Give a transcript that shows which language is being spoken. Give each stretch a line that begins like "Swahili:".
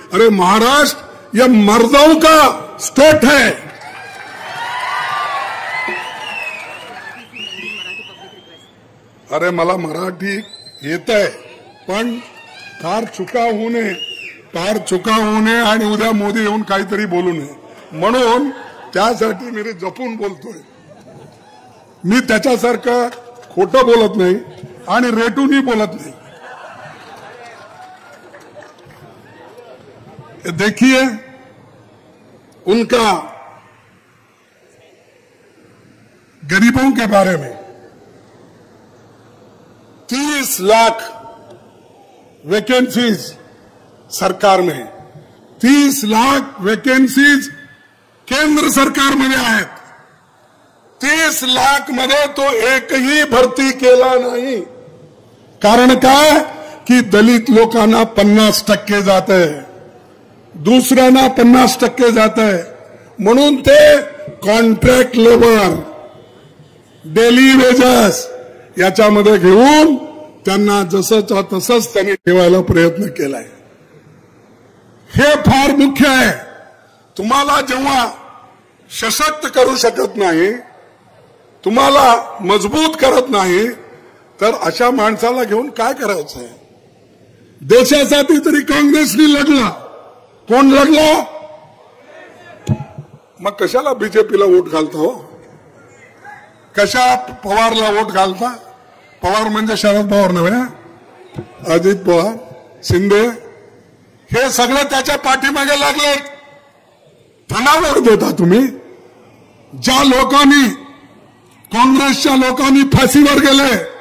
Hindi: अरे महाराष्ट्र ये मर्दों का स्टेट है,
Marathi: अरे मला मराठी येत आहे पण फार चुका होणे, फार चुका होणे आणि उद्या मोदी येऊन काहीतरी बोलू नये, म्हणून त्यासाठी मी जपून बोलतोय। मी त्याच्यासारखं खोटं बोलत नाही आणि रेटूनही बोलत नाही।
Hindi: देखिए उनका गरीबों के बारे में,
Marathi: 30 लाख वैकेंसीज सरकार में, 30 लाख वैकेंसीज केंद्र सरकार में आए, 30 लाख मधे तो एक ही भर्ती केला नाही। कारण काय की दलित लोकांना 50% जाते, दुसऱ्यांना 50% जाते, म्हणून ते कॉन्ट्रॅक्ट लेबर, डेली वेजेस याच्यामध्ये घेऊन त्यांना जसंच्या तसंच त्यांनी ठेवायला प्रयत्न केलाय। हे फार मुख्य आहे। तुम्हाला जेव्हा सशक्त करू शकत नाही, तुम्हाला मजबूत करत नाही, तर अशा माणसाला घेऊन काय करायचं? देशासाठी तरी काँग्रेसने लढला, कोण लढला? मग कशाला बीजेपीला वोट घालता हो? कशा पवारला वोट घालता? पवार म्हणजे शरद पवार नव्हे, अजित पवार, शिंदे, हे सगळे त्याच्या पाठीमागे लागले। धनावर देता तुम्ही, ज्या लोकांनी, काँग्रेसच्या लोकांनी फाशीवर गेले,